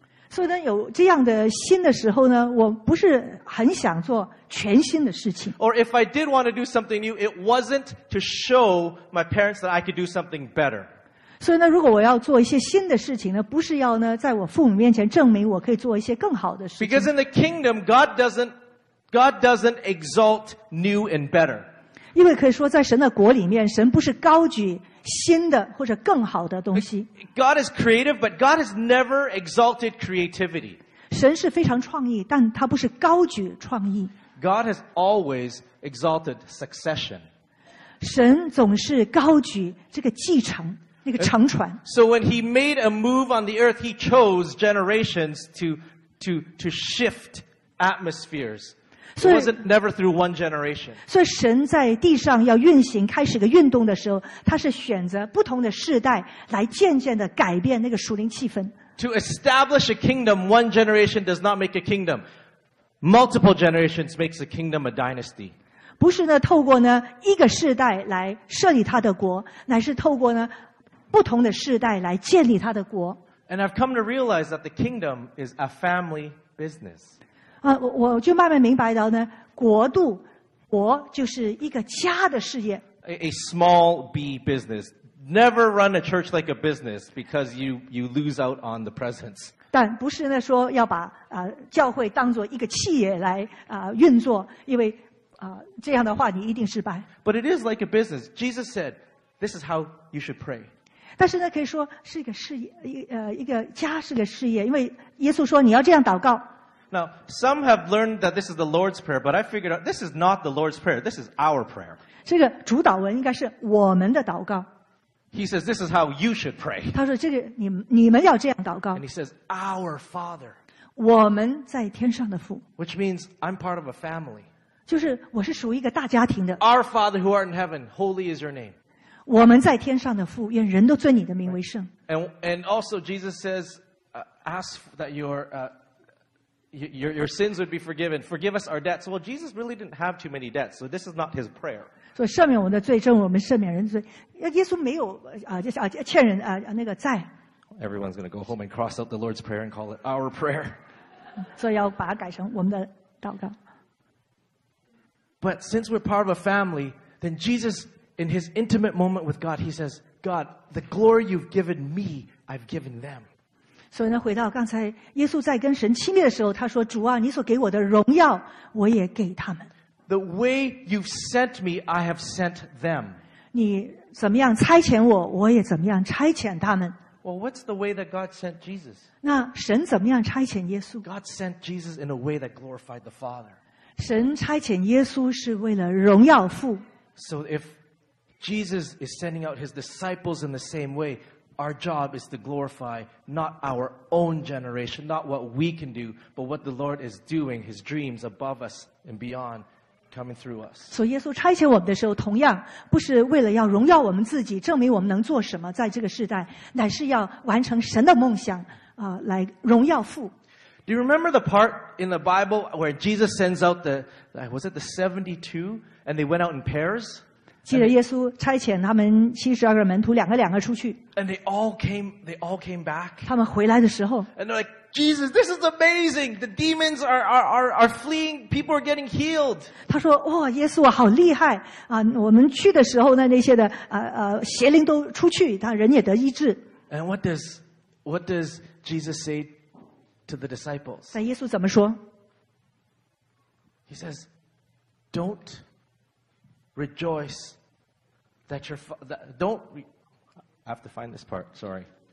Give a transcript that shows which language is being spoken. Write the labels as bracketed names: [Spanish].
[Chinese] 所以呢，有这样的心的时候呢，我不是很想做。全新的事情。 [English] Or if I did want to do something new, it wasn't to show my parents that I could do something better. [Chinese] 所以呢，如果我要做一些新的事情呢，不是要呢在我父母面前证明我可以做一些更好的事情。 [English] Because in the kingdom, God doesn't exalt new and better. [Chinese] 因为可以说，在神的国里面，神不是高举新的或者更好的东西。 [English] God is creative, but God has never exalted creativity. [Chinese] 神是非常创意，但他不是高举创意。 [English] God has always exalted succession. [Chinese] 神总是高举这个继承，那个承传。 [English] So when he made a move on the earth, he chose generations to shift atmospheres. It wasn't never through one generation. [Chinese] 所以神在地上要运行，开始个运动的时候，他是选择不同的世代来渐渐的改变那个属灵气氛。 [English] To establish a kingdom, one generation does not make a kingdom. Multiple generations makes a kingdom a dynasty. [Chinese] 不是呢，透过呢一个世代来设立他的国，乃是透过呢不同的世代来建立他的国。 [English] And I've come to realize that the kingdom is a family business. [Chinese] 啊，我就慢慢明白到呢，国度，国就是一个家的事业。 [English] A small b business. Never run a church like a business because you lose out on the presence. [Chinese] 但不是呢说要把教会当作一个企业来运作，因为这样的话你一定失败。 [English] But it is like a business. Jesus said, "This is how you should pray." [Chinese] 但是呢，可以说是一个事业，一个家是个事业，因为耶稣说你要这样祷告。 [English] Now, some have learned that this is the Lord's Prayer, but I figured out this is not the Lord's Prayer, this is our prayer. [Chinese] 这个主祷文应该是我们的祷告。 [English] He says, this is how you should pray. [Chinese] 他说这个你们要这样祷告。 [English] And he says, our Father. [Chinese] 我们在天上的父。 [English] Which means, I'm part of a family. [Chinese] 就是我是属于一个大家庭的。 [English] Our Father who art in heaven, holy is your name. [Chinese] 我们在天上的父，愿人都尊你的名为圣。 [English] And also Jesus says, ask that your sins would be forgiven. Forgive us our debts. Well, Jesus really didn't have too many debts, so this is not his prayer. [Chinese] 所以赦免我们的罪，正如我们赦免人的罪。耶稣没有欠人那个债。 [English] Everyone's going to go home and cross out the Lord's Prayer and call it our prayer. [Chinese] 所以要把它改成我们的祷告。 [English] But since we're part of a family, then Jesus, in his intimate moment with God, he says, God, the glory you've given me, I've given them. [Chinese] 所以呢，回到刚才耶稣在跟神亲密的时候，他说：“主啊，你所给我的荣耀，我也给他们。” [English] The way you've sent me, I have sent them. [Chinese] 你怎么样差遣我，我也怎么样差遣他们。 [English] Well, what's the way that God sent Jesus? [Chinese] 那神怎么样差遣耶稣 [English] ？God sent Jesus in a way that glorified the Father. [Chinese] 神差遣耶稣是为了荣耀父。 [English] So if Jesus is sending out his disciples in the same way. Our job is to glorify not our own generation, not what we can do, but what the Lord is doing, his dreams above us and beyond coming through us. [Chinese] 所以耶稣差遣我们的时候，同样不是为了要荣耀我们自己，证明我们能做什么在这个时代，乃是要完成神的梦想，来荣耀父。 [English] Do you remember the part in the Bible where Jesus sends out the 72 and they went out in pairs? [Chinese] 记得耶稣差遣他们七十二个门徒两个两个出去。 [English] And they all came back. [Chinese] 他们回来的时候。 [English] And they're like, Jesus, this is amazing. The demons are fleeing. People are getting healed. [Chinese] 他说，哇，耶稣啊，好厉害啊！我们去的时候呢，那些的邪灵都出去，他人也得医治。 [English] And what does Jesus say to the disciples? [Chinese] 那耶稣怎么说 [English] ？He says, don't. Rejoice that your father. Don't. I have to find this part. Sorry.